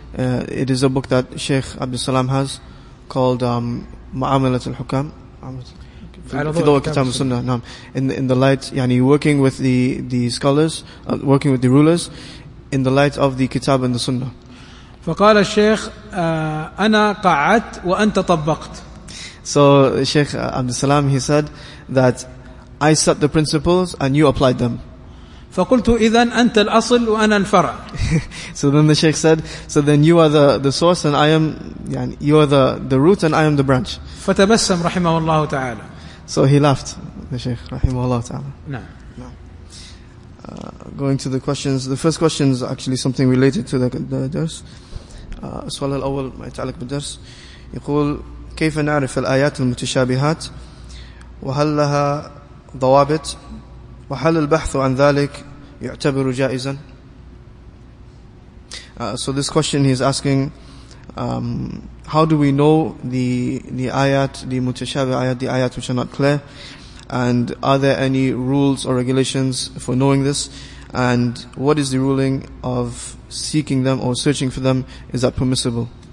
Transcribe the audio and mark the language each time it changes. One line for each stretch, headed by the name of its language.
English: It is a book that Sheikh Abd al-Salam has called معاملة الحكام.
Arabic: في ضوء الكتاب والسنة. نعم.
English: In the light, يعني working with the scholars, working with the rulers, in the light of the kitab and the sunnah.
Arabic: فقال الشيخ أنا قعدت وأنت طبقت.
English: So Sheikh Abd al-Salam, he said that I set the principles and you applied them.
Arabic: فقلت إذن أنت الأصل وأنا الفرع.
English: So then the Sheikh said, so then you are the source and I am, يعني you are the root and I am the branch.
Arabic: فتبسم رحمه الله تعالى.
English: So he laughed, the Sheikh,
Arabic: رحمه الله تعالى. نعم.
English: Going to the questions. The first question is actually something related to the درس.
Arabic: السؤال الأول ما يتعلق بالدرس. يقول كيف نعرف الآيات المتشابهات وهل لها ضوابط وهل البحث عن ذلك يعتبر جائزا؟
English: So this question he is asking, how do we know the ayat, the mutashabih ayat, the ayat which are not clear, and are there any rules or regulations for knowing this, and what is the ruling of seeking them or searching for them, is that permissible?